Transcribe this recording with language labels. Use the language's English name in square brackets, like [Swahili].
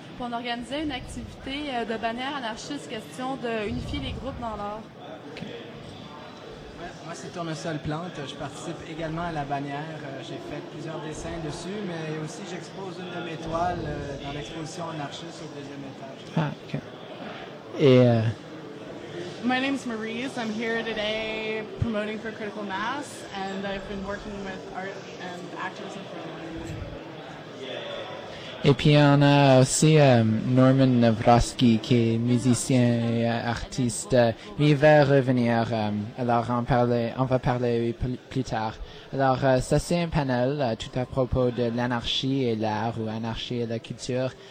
[French] Puis on organisait une activité de bannière anarchiste, question d'unifier les groupes dans l'art. Moi, c'est Tournesol Plante. Je participe également à la bannière. J'ai fait plusieurs dessins dessus, mais aussi j'expose une de mes toiles dans l'exposition anarchiste au deuxième étage. Ah, OK. Et... [English] My name is Maurice. I'm here today promoting for Critical Mass, and I've been working with art and activism for a long time. [French] Et puis, on a aussi Norman Navrosky, qui est musicien et artiste. Mais il va revenir. Alors, on va parler plus tard. Alors, ça, c'est un panel tout à propos de l'anarchie et l'art, ou anarchie et la culture.